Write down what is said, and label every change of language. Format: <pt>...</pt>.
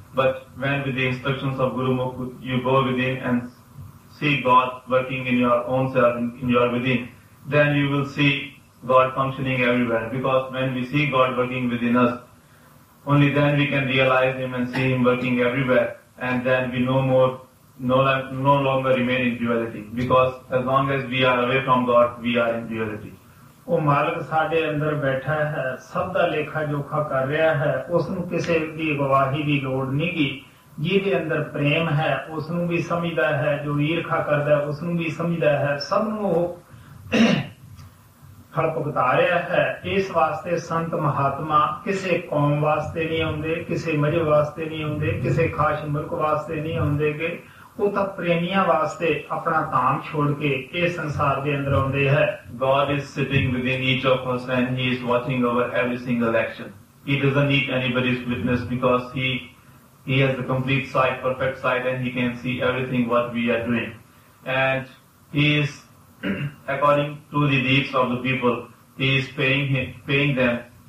<en>But when with the instructions of Guru Mukh, you go within and see God working in your own self, in your within, then you will see God functioning everywhere. Because when we see God working within us, only then we can realize Him and see Him working everywhere, and then we no longer remain in duality. Because as long as we are away from God, we are in duality.</en> <pa>ਉਹ ਮਾਲਕ ਸਾਡੇ ਅੰਦਰ ਬੈਠਾ ਹੈ, ਸਭ ਦਾ ਲੇਖਾ ਜੋਖਾ ਕਰ ਰਿਹਾ ਹੈ, ਉਸ ਨੂੰ ਕਿਸੇ ਦੀ ਗਵਾਹੀ ਦੀ ਲੋੜ ਨਹੀਂ ਗੀ। ਜਿਹਦੇ ਅੰਦਰ ਪ੍ਰੇਮ ਹੈ ਉਸ ਨੂੰ ਵੀ ਸਮਝਦਾ ਹੈ, ਜੋ ਈਰਖਾ ਕਰਦਾ ਉਸ ਨੂੰ ਵੀ ਸਮਝਦਾ ਹੈ, ਸਭ ਨੂੰ ਉਹ ਫਲ ਭੁਗਤਾ ਰਿਹਾ ਹੈ। ਇਸ ਵਾਸਤੇ ਸੰਤ ਮਹਾਤਮਾ ਕਿਸੇ ਕੌਮ ਵਾਸਤੇ ਨਹੀਂ ਆਉਂਦੇ, ਕਿਸੇ ਮਜ਼ਹਬ ਵਾਸਤੇ ਨਹੀਂ ਆਉਂਦੇ, ਕਿਸੇ ਖਾਸ ਮੁਲਕ ਵਾਸਤੇ ਨਹੀਂ ਆਉਂਦੇ ਗੇ। ਉਹ ਤਾਂ ਪ੍ਰੇਮੀਆਂ ਵਾਸਤੇ ਆਪਣਾ ਧਾਮ ਛੋੜ ਕੇ ਇਹ ਸੰਸਾਰ ਦੇ ਅੰਦਰ ਆਉਂਦੇ ਹੈ।</pa> <en>God is sitting within each of us and He is watching over every single action. He doesn't need anybody's witness because He has the complete sight, perfect sight, and He can see everything what we are doing. And He is, according to the deeds of the people, He is paying them.</en>